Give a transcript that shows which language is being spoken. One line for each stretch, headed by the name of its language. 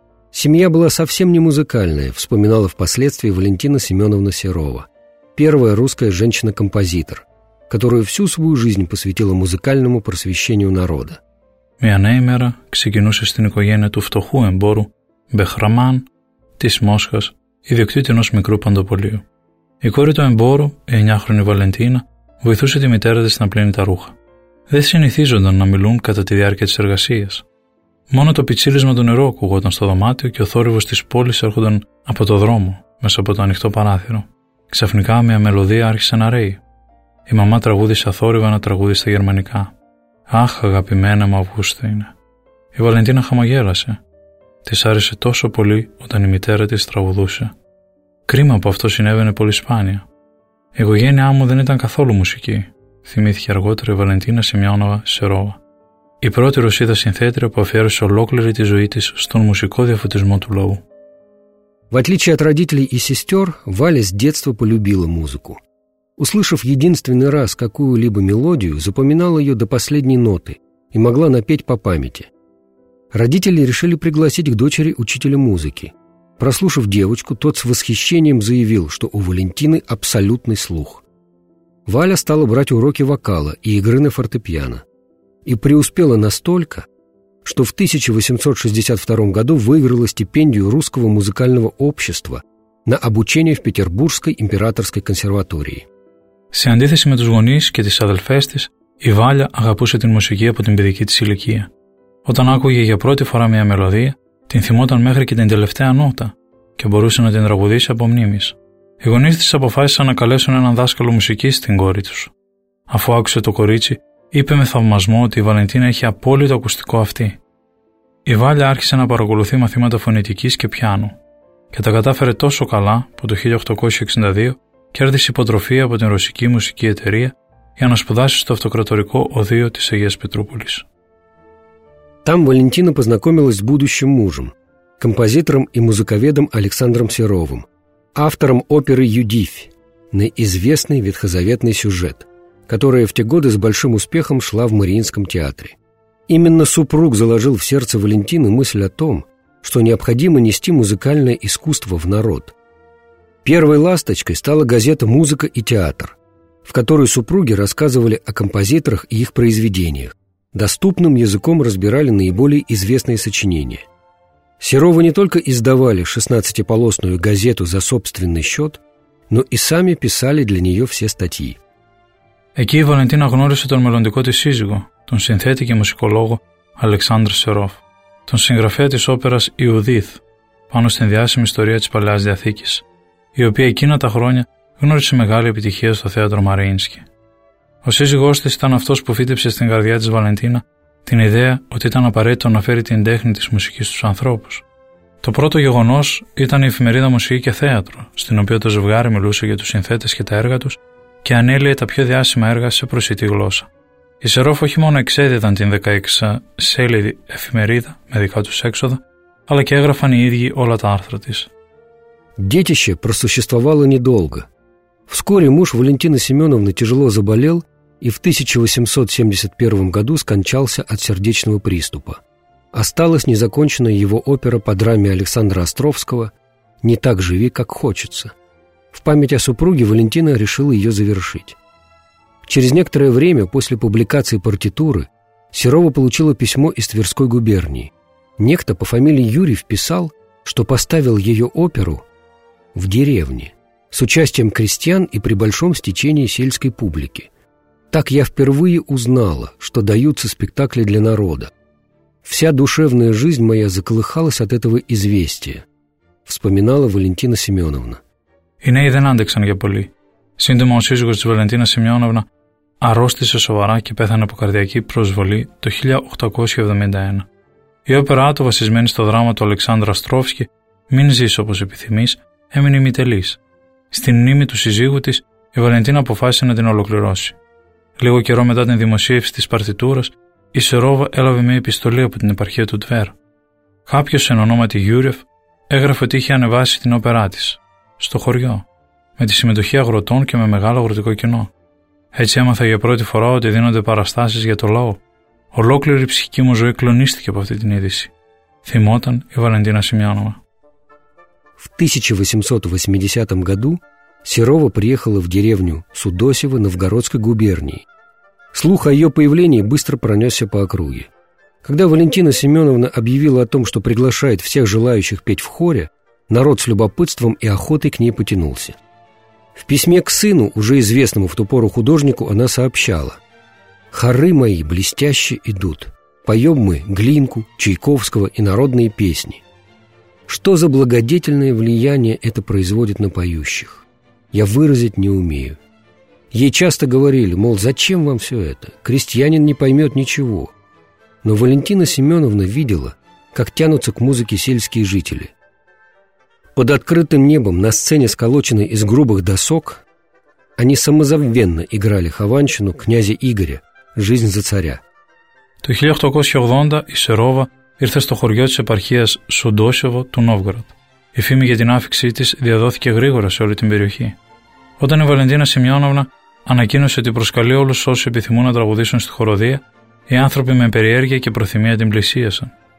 Russian: «Семья была совсем не музыкальная», — вспоминала впоследствии Валентина Семеновна Серова, первая русская женщина-композитор, которая всю свою жизнь посвятила музыкальному просвещению народа.
Greek: «Мя неймера ксигинуше стин икогене ту фтоху эмбору, бехраман, тис Мосхас, идиоктитинос микру пандополию. Η κόρη του εμπόρου, η 9χρονη Βαλεντίνα, βοηθούσε τη μητέρα της να πλύνει τα ρούχα. Δεν συνηθίζονταν να μιλούν κατά τη διάρκεια της εργασίας. Μόνο το πιτσίρισμα του νερού ακουγόταν στο δωμάτιο και ο θόρυβος της πόλης έρχονταν από το δρόμο, μέσα από το ανοιχτό παράθυρο. Ξαφνικά μια μελωδία άρχισε να ρέει. Η μαμά τραγούδισε αθόρυβα ένα τραγούδι στα γερμανικά. Αχ, αγαπημένα μου Αυγούστινε. Η Βαλεντίνα χαμογέλασε. Της άρεσε τόσο πολύ όταν η μητέρα της τραγουδούσε. Κρίμα που αυτό συνέβαινε πολύ σπάνια. Η οικογένειά μου δεν ήταν καθόλου μουσική, θυμήθηκε αργότερα η Βαλεντίνα Σημειώνοβα Σερόβα. Η πρώτη Ρωσίδα συνθέτρια που αφιέρωσε ολόκληρη τη ζωή της στον μουσικό διαφωτισμό του λαού.
Russian: В отличие от родителей и сестер, Валя с детства полюбила музыку. Услышав единственный раз какую-либо мелодию, запоминала ее до последней ноты и могла напеть по памяти. Родители решили пригласить к дочери учителя музыки. Прослушав девочку, тот с восхищением заявил, что у Валентины абсолютный слух. Валя стала брать уроки вокала и игры на фортепиано. И преуспела настолько, что в 1862 году выиграла стипендию Русского музыкального общества на обучение в Петербургской императорской консерватории.
Greek: Σε αντίθεση με τους γονείς και τις αδελφές της, η Βάλια αγαπούσε την μουσική από την παιδική της ηλικία. Όταν άκουγε για πρώτη φορά μια μελωδία, την θυμόταν μέχρι και την τελευταία νότα και μπορούσε να την τραγουδήσει από μνήμης. Οι γονείς της αποφάσισαν να καλέσουν έναν δάσκαλο μουσικής στην κόρη τους. Αφού άκουσε το κορίτσι, είπε με θαυμασμό ότι η Βαλεντίνα είχε απόλυτο ακουστικό αυτή. Η Βάλια άρχισε να παρακολουθεί μαθήματα φωνητικής και πιάνου και τα κατάφερε τόσο καλά που το 1862 κέρδισε υποτροφία από την Ρωσική Μουσική Εταιρεία για να σπουδάσει στο αυτοκρατορικό οδείο της Αγίας Πετρούπολης.
Russian: Там Валентина познакомилась с будущим мужем, композитором и музыковедом Александром Серовым, автором оперы «Юдифь» на известный ветхозаветный сюжет, которая в те годы с большим успехом шла в Мариинском театре. Именно супруг заложил в сердце Валентины мысль о том, что необходимо нести музыкальное искусство в народ. Первой ласточкой стала газета «Музыка и театр», в которой супруги рассказывали о композиторах и их произведениях. Доступным языком разбирали наиболее известные сочинения. Серовы не только издавали 16-полосную газету за собственный счет, но и сами писали для нее все статьи.
Greek: Εκεί η Βαλεντίνα γνώρισε τον μελλοντικό της σύζυγο, τον συνθέτη και μουσικολόγο Αλεξάνδρ Σερόφ, τον συγγραφέα της όπερας «Ιουδίθ» πάνω στην διάσημη ιστορία της Παλαιάς Διαθήκης, η οποία εκείνα τα χρόνια γνώρισε μεγάλη επιτυχία στο θέατρο Μαρίνσκι. Ο σύζυγός της ήταν αυτός που φύτεψε στην καρδιά της Βαλεντίνα την ιδέα ότι ήταν απαραίτητο να φέρει την τέχνη της μουσικής στους ανθρώπους. Το πρώτο γεγονός ήταν η εφημερίδα «Μουσική και Θέατρο», στην οποία το ζευγάρι μιλούσε για τους συνθέτες και τα έργα τους και ανέλυε τα πιο διάσημα έργα σε προσιτή γλώσσα. Οι Σερόφ όχι μόνο εξέδιδαν την 16-σέλιδη εφημερίδα με δικά τους έξοδα, αλλά και έγραφαν οι ίδιοι όλα τα άρθρα της.
Russian: Детище просуществовало недолго. Вскоре муж Валентины Семеновны тяжело заболел и в 1871 году скончался от сердечного приступа. Осталась незаконченная его опера по драме Александра Островского «Не так живи, как хочется». В память о супруге Валентина решила ее завершить. Через некоторое время после публикации партитуры Серова получила письмо из Тверской губернии. Некто по фамилии Юрьев писал, что поставил ее оперу в деревне с участием крестьян и при большом стечении сельской публики. Так я впервые узнала, что даются спектакли для народа. Вся душевная жизнь моя заколыхалась от этого известия, вспоминала Валентина Семеновна.
Greek: Οι νέοι δεν άντεξαν για πολύ. Σύντομα ο σύζυγος της Βαλεντίνα Σημειώνοβνα αρρώστησε σοβαρά και πέθανε από καρδιακή προσβολή το 1871. Η όπερά του, βασισμένη στο δράμα του Αλεξάνδρα Στρόφσκι, «Μην ζεις όπως επιθυμείς», έμεινε ημιτελής. Στην μνήμη του σύζυγου της, η Βαλεντίνα αποφάσισε να την ολοκληρώσει. Λίγο καιρό μετά την δημοσίευση της παρτιτούρας, η Σερόβα έλαβε μια επιστολή από την επαρχία του Τβέρ. Κάποιος εν ονόματι Γιούρεφ έγραφε ότι είχε ανεβάσει την όπερά της στο χωριό, με τη συμμετοχή αγροτών και με μεγάλο αγροτικό κοινό. Έτσι έμαθα για πρώτη φορά ότι δίνονται παραστάσεις για το λαό. Ολόκληρη η ψυχική μου ζωή κλονίστηκε από αυτή την είδηση, θυμόταν η Βαλεντίνα Σημειώνοβα.
Russian: В 1880 году Серова приехала в деревню Судосево Новгородской губернии. Слух о ее появлении быстро пронесся по округе. Когда Валентина Семеновна объявила о том, что приглашает всех желающих петь в хоре, народ с любопытством и охотой к ней потянулся. В письме к сыну, уже известному в ту пору художнику, она сообщала: «Хоры мои блестяще идут. Поем мы Глинку, Чайковского и народные песни. Что за благодетельное влияние это производит на поющих? Я выразить не умею». Ей часто говорили, мол, зачем вам все это? Крестьянин не поймет ничего. Но Валентина Семеновна видела, как тянутся к музыке сельские жители. Под открытым небом на сцене, сколоченной из грубых досок, они самозабвенно играли хованщину князя Игоря «Жизнь за царя». В 1880 году Серова
Greek: ήρθε στο χωριό της επαρχίας Σουντόσεβο του Νόβγορωτ. Η φήμη για την άφηξή της διαδόθηκε γρήγορα σε όλη την περιοχή. Όταν η Βαλεντίνα Σημειώνοβνα ανακοίνωσε ότι προσκαλεί όλους όσους επιθυμούν να τραγουδήσουν στη χοροδία, οι άνθρωποι με περιέργεια και προθυμία την πλησίασαν.